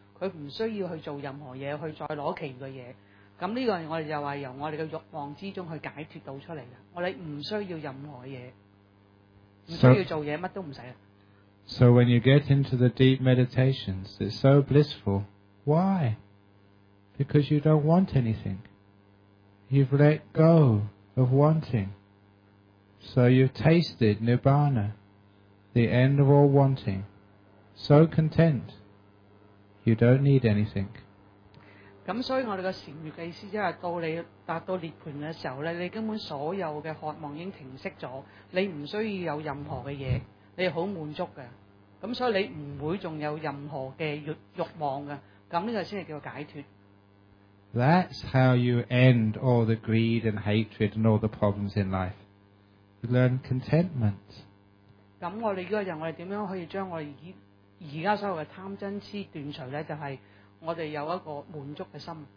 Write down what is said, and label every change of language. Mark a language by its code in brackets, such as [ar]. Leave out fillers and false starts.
[yue] 佢唔需要去做任何嘢，去再攞其余嘅嘢。咁呢个我哋就话由我哋嘅欲望之中去解脱到出嚟嘅。我哋唔需要任何嘢，唔需要做嘢，乜都唔使啦。 [en] So when you get into the deep meditations, it's so blissful. Why? Because you don't want anything. You've let go of wanting. So you've tasted nirvana, the end of all wanting. So content. You don't need anything. [yue] 咁所以我哋嘅禅悦嘅意思，即系到你达到涅槃嘅时候咧，你根本所有嘅渴望已经停息咗，你唔需要有任何嘅嘢，你系好满足嘅。咁所以你唔会仲有任何嘅欲望嘅。咁呢个先系叫解脱。 [en] That's how you end all the greed and hatred and all the problems in life. You learn contentment. [yue] 咁我哋呢个人，我哋点样可以将我哋而家所有嘅贪嗔痴断除咧，就系我哋有一个满足嘅心。